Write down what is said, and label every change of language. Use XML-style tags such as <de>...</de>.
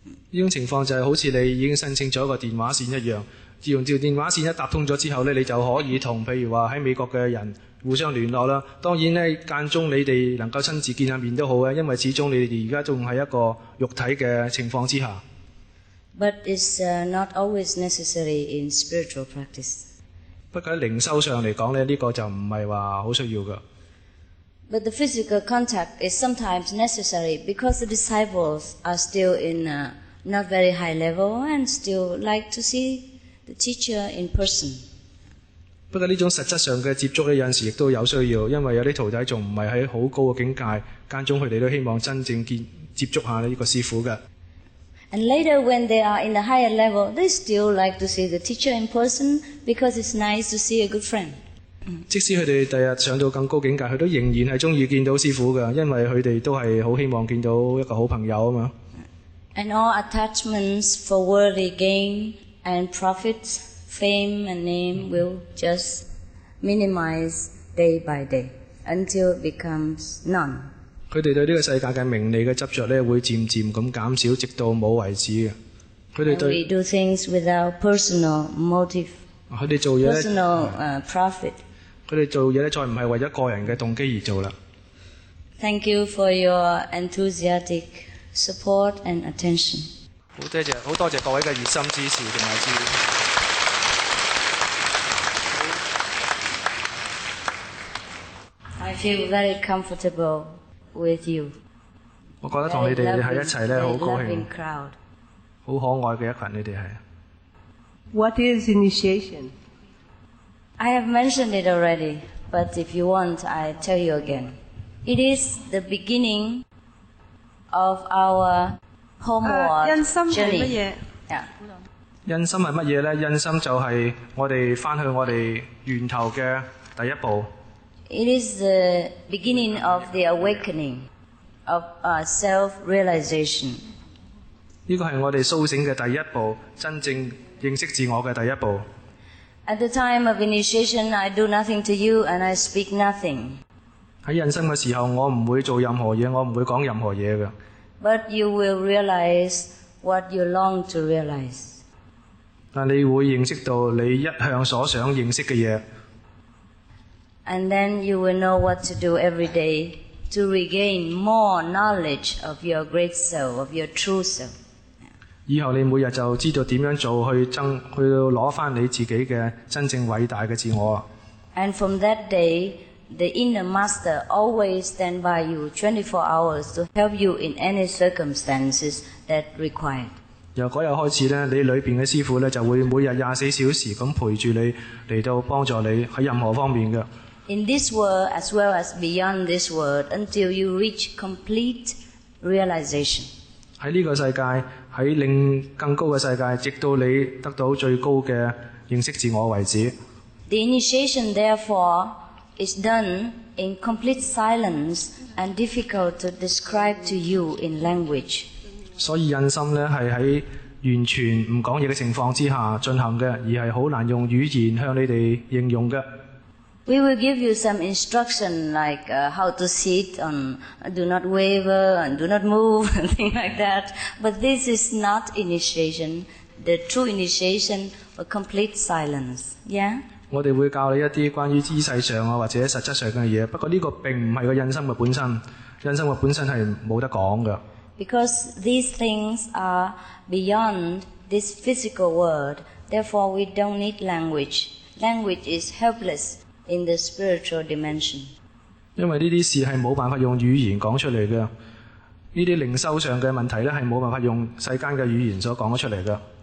<yue>呢种情况就系好似你已经申请咗一个电话线一样，自用条电话线一打通咗之后咧，你就可以同譬如话喺美国嘅人互相联络啦。当然咧，间中你哋能够亲自见下面都好嘅，因为始终你哋而家仲系一个肉体嘅情况之下。</yue> <en>But it's not always necessary in spiritual practice.</en> <yue>不过喺灵修上嚟讲咧，这个就唔系话好需要噶。</yue> <en>But the physical contact is sometimes necessary because the disciples are still in a not very high level and still like to see the teacher in person.</en> <yue>不過呢種實質上嘅接觸咧，有陣時亦都有需要，因為有啲徒弟仲唔係喺好高嘅境界，間中佢哋都希望真正見接觸下呢個師傅嘅。</yue> <en>And later when they are in the higher level, they still like to see the teacher in person because it's nice to see a good friend.</en> <yue>即使佢哋第日上到更高境界，佢都仍然係中意見到師傅嘅，因為佢哋都係好希望見到一個好朋友啊嘛。</yue> <en>And all attachments for worldly gain and profits. Fame and name will just minimize day by day until it becomes none.</en> <yue>佢哋對呢個世界嘅名利嘅執著咧，會漸漸咁減少，直到冇為止嘅。佢哋對</yue> <en>we do things without personal motive.</en> <yue>佢哋做嘢</yue> <en>personal profit.</en> <yue>佢哋做嘢咧，再唔係為咗個人嘅動機而做啦。</yue> <en>Thank you for your enthusiastic support and attention.</en> <yue>好多謝，好多謝各位嘅熱心支持同埋支持。</yue> <en>I feel very comfortable with you.</en> <yue>我覺得同你哋喺一齊咧，好高興。</yue> <en>Crowd.</en> <yue>好可愛嘅一群，你哋係。</yue> <en>What is initiation? I have mentioned it already, but if you want, I tell you again. It is the beginning of our homeward journey.</en> <yue>乜嘢？印心係乜嘢咧？印心就係我哋翻去我哋源頭嘅第一步。</yue> <en>It is the beginning of the awakening of self-realization.</en> <yue>呢個係我哋甦醒嘅第一步，真正認識自我嘅第一步。</yue> <en>At the time of initiation, I do nothing to you and I speak nothing.</en> <yue>喺印心嘅時候，我唔會做任何嘢，我唔會講任何嘢嘅。</yue> <en>But you will realize what you long to realize.</en> <yue>但你會認識到你一向所想認識嘅嘢。</yue> <en>And then you will know what to do every day to regain more knowledge of your great self, of your true self.</en> <yue>以後你每日就知道點樣做去攞翻你自己嘅真正偉大嘅自我。</yue> <en>And from that day, the inner master always stand by you 24 hours to help you in any circumstances that require.</en> <yue>由嗰日開始咧，你裏邊嘅師傅咧就會每日24小時咁陪住你，嚟到幫助你喺任何方面嘅。</yue> <en>In this world as well as beyond this world, until you reach complete realization.</en> <yue>喺呢個世界，喺另更高嘅世界，直到你得到最高嘅認識自我為止。</yue> <en>The initiation, therefore, is done in complete silence and difficult to describe to you in language.</en> <yue>所以印心咧，係喺完全唔講嘢嘅情況之下進行嘅，而係好難用語言向你哋應用嘅。</yue> <en>We will give you some instruction, like how to sit, do not waver, and do not move, things like that. But this is not initiation. The true initiation, a complete silence. Yeah.</en> <yue>我哋會教你一啲關於姿勢上啊，或者實質上嘅嘢。不過呢個並唔係個印心嘅本身，印心嘅本身係冇得講嘅。</yue> <en>Because these things are beyond this physical world, therefore we don't need language. Language is helpless in the spiritual dimension.</en> <yue>因為呢啲事係冇辦法用語言講出嚟嘅，呢啲靈修上嘅問題咧係冇辦法用世間嘅語言所講出嚟嘅。</yue>